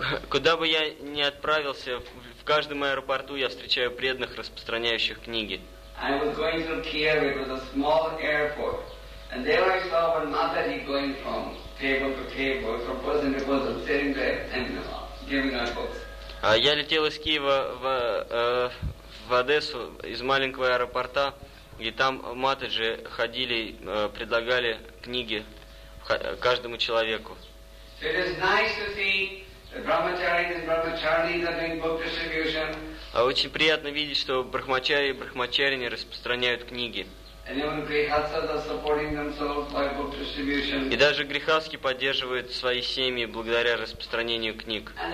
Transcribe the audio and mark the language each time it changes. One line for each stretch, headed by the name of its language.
Russian: Куда бы я ни отправился, в каждом аэропорту я встречаю преданных, распространяющих книги.
English: I was going to Kiev, it was a small airport, and there I saw one Mataji going from table to table, from person to person, sitting there and giving out books.
Russian: Я летел из Киева в Одессу, из маленького аэропорта, и там Матаджи ходили, предлагали книги каждому человеку.
English: So it is nice to see the Brahmacharis and Brahmacharinis are doing book distribution.
Russian: Очень приятно видеть, что брахмачари и брахмачарини распространяют книги. И даже грихасхи поддерживают свои семьи благодаря распространению книг.